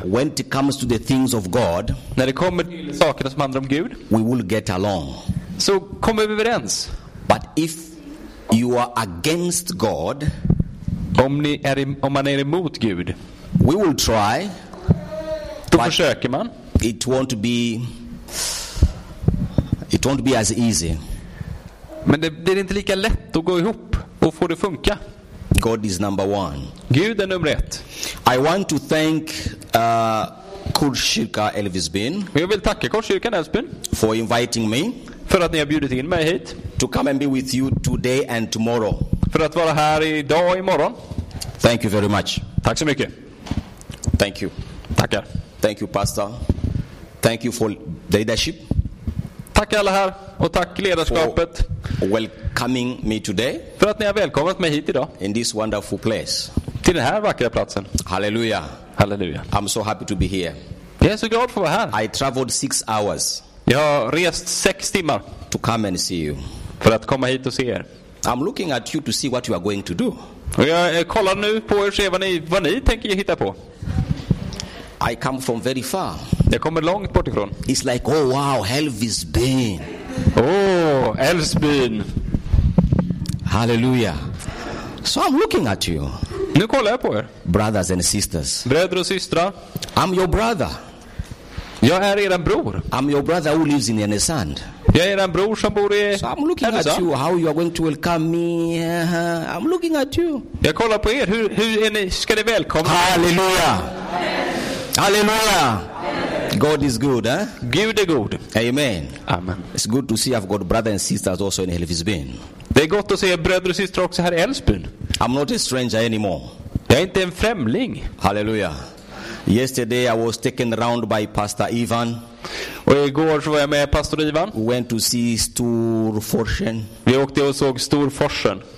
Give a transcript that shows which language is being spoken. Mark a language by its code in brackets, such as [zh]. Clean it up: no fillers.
[en] When it comes to the things of God, [sv] när det kommer till sakerna som handlar om Gud, [en] we will get along. [sv] Så kommer vi överens. [en] But if you are against God, [sv] om man är emot Gud, [en] we will try. [sv] Då försöker man. [en] It won't be as easy. [sv] Men det är inte lika lätt att gå ihop och få det funka. [en] God is number one. [sv] Gud är nummer ett. [en] I want to thank Korskyrka Elvisbyn. [sv] Jag vill tacka Korskyrkan Elvisbyn [en] for inviting me. [sv] För att ni har bjudit in mig hit. [en] To come and be with you today and tomorrow. [sv] För att vara här idag och imorgon. [en] Thank you very much. [sv] Tack så mycket. [en] Thank you. [sv] Tackar. [en] Thank you, pastor. Thank you for the leadership. [sv] Tack alla här och tack ledarskapet. [en] For welcoming me today. [sv] För att ni har välkomnat mig hit idag. [en] In this wonderful place. [sv] Till den här vackra platsen. Halleluja. Halleluja. [en] I'm so happy to be here. [sv] Jag är så glad för att vara här. [en] I traveled 6 hours. [sv] Jag har rest 6 timmar. [en] To come and see you. [sv] För att komma hit och se er. [en] I'm looking at you to see what you are going to do. [sv] Och jag kollar nu på er och ser vad ni tänker hitta på. [en] I come from very far. [sv] Jag kommer långt bort ifrån. [en] It's like, oh wow, Elvisbyn. Oh, Elvisbyn. Hallelujah. So I'm looking at you. [sv] Nu kollar jag på er. [en] Brothers and sisters. [sv] Bröder och systrar. [en] I'm your brother. [sv] Jag är eran bror. [en] I'm your brother who lives in Enesand. [sv] Jag är eran bror som bor i Enesand. [en] So I'm looking Enesand. At you, how you are going to welcome me. I'm looking at you. [sv] Jag kollar på er, hur är ni, ska ni välkomna? [en] Halleluja. Halleluja. God is good, eh? [sv] Gud är god. Amen. Amen. [en] It's good to see I've got brothers and sisters also in Elvisbyn. [sv] Det är gott att se bröder och systrar också här i Elvisbyn. [en] I'm not a stranger anymore. [sv] Jag är inte en främling. [en] Halleluja. Yesterday I was taken around by Pastor Ivan. [sv] Och igår så var jag med Pastor Ivan. [en] We went to see Storforsen. [sv] Vi åkte och såg Storforsen.